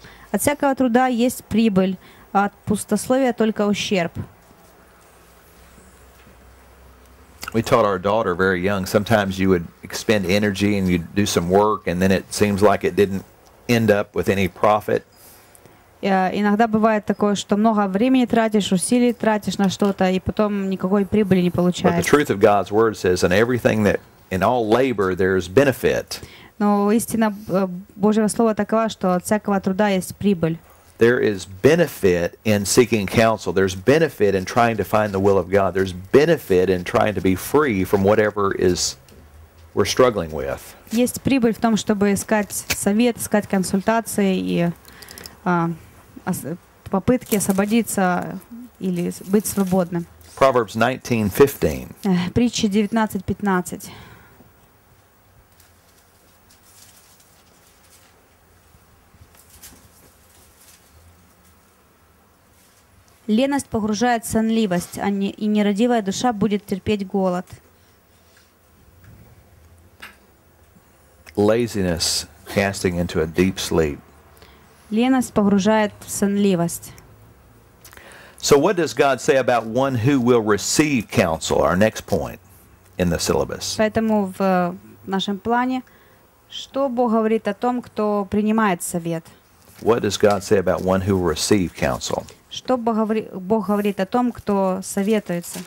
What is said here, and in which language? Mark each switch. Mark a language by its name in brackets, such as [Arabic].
[Russian] От всякого труда есть прибыль, а от пустословия только ущерб. [English] We taught our daughter very young. Sometimes you would expend energy and you'd do some work, and then it seems like it didn't end up with any profit. [Russian] Иногда бывает такое, что много времени тратишь, усилий тратишь на что-то, и потом никакой прибыли не получаешь. [English] But the truth of God's word says, in everything that in all labor there's benefit. [Russian] Но истина Божьего слова такова, что от всякого труда есть прибыль. [English] There is benefit in seeking counsel. There's benefit in trying to find the will of God. There's benefit in trying to be free from whatever is we're struggling with. [Russian] Есть прибыль в том, чтобы искать совет, искать консультации и попытки освободиться или быть свободным. [English] Proverbs 19:15. [Russian] Притчи 19:15. Леность погружает в сонливость, а не, и нерадивая душа будет терпеть голод. [English] Laziness casting into a deep sleep. [Russian] Леность погружает в сонливость. [English] So what does God say about one who will receive counsel? Our next point in the syllabus. [Russian] Поэтому в нашем плане, что Бог говорит о том, кто принимает совет? [English] What does God say about one who will receive counsel? [Russian] Что Бог говорит о том, кто советуется?